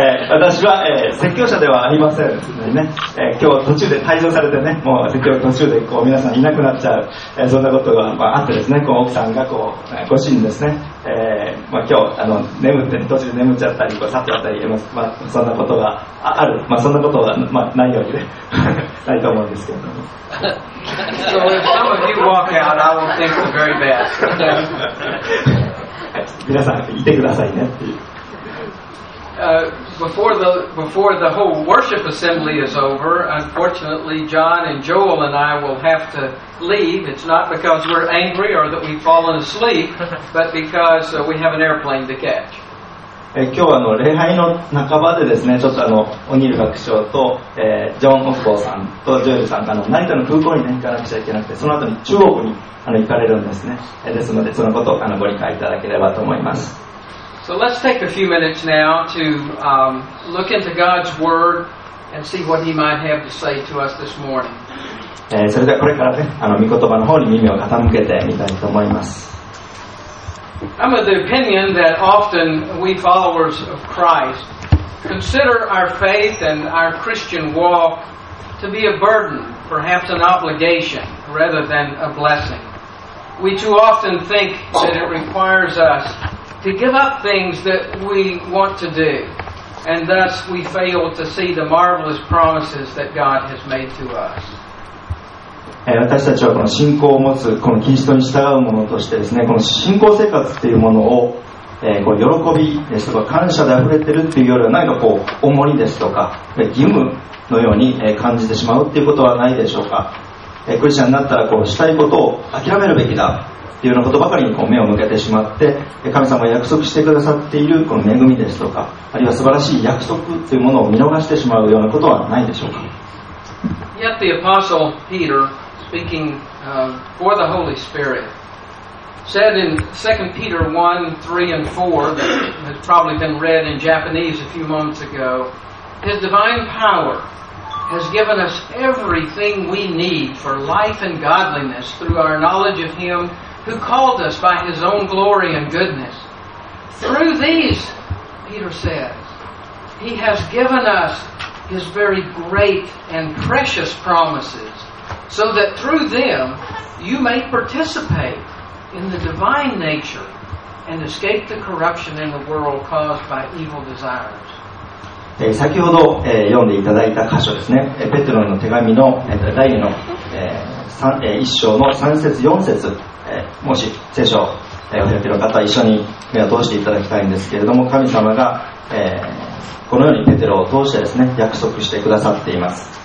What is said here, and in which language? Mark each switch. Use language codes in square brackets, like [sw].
[ja] 私は、説教者ではありませんので、ね、今日途中で退場されてね、もう説教途中でこう皆さんいなくなっちゃう、そんなことが、あってですね、こう奥さんがこうご主人ですね、今日眠って途中で眠っちゃったりこう去っちゃったり、そんなことがある、そんなことは、ないわけでないと思うんですけども。 [en] So if some of you walk out, I will think the very best. [ja] 皆さんいてくださいねっていう。 [en] Before the whole worship assembly is over, unfortunately, John and Joel and I will have to leave. It's not because we're angry or that we've fallen asleep, but because we have an airplane to catch. [ja] 今日は礼拝の半ばでですね、ちょっとオニール学長と、ジョン・オフボーさんとジョエルさんが成田の空港に、ね、行かなくちゃいけなくて、その後に中国に行かれるんですね。ですので、そのことをご理解いただければと思います。 [en] So let's take a few minutes now to look into God's word and see what He might have to say to us this morning. [ja] それではこれからね、御言葉の方に耳を傾けてみたいと思います。 [en] I'm of the opinion that often we followers of Christ consider our faith and our Christian walk to be a burden, perhaps an obligation, rather than a blessing. We too often think that it requires us. To give up things that we want to do, and thus we fail to see the marvelous promises that God has made to us. [ja] 私たちはこの信仰を持つ、このキリストに従うものとしてですね、この信仰生活っていうものを、こう喜びですとか感謝で溢れてるっていうよりは、何かこう重荷ですとか義務のように感じてしまうっていうことはないでしょうか。クリスチャンになったらこうしたいことを諦めるべきだ。いうようなことばかりにこう目を向けてしまって、神様が約束してくださっているこの恵みですとか、あるいは素晴らしい約束というものを見逃してしまうようなことはないでしょうか。 [en] Yet the Apostle Peter, speaking for the Holy Spirit, said in 2 Peter 1, 3 and 4, that has probably been read in Japanese a few moments ago, His divine power has given us everything we need for life and godliness through our knowledge of Him. Who called us by His own glory and goodness. Through these, Peter says, He has given us His very great and precious promises, so that through them you may participate in the divine nature and escape the corruption in the world caused by evil desires. [ja] 先ほど読んでいただいた箇所ですね、ペテロの手紙の第2の1章の3節4節、もし聖書をお読みの方は一緒に目を通していただきたいんですけれども、神様がこのようにペテロを通してですね約束してくださっています。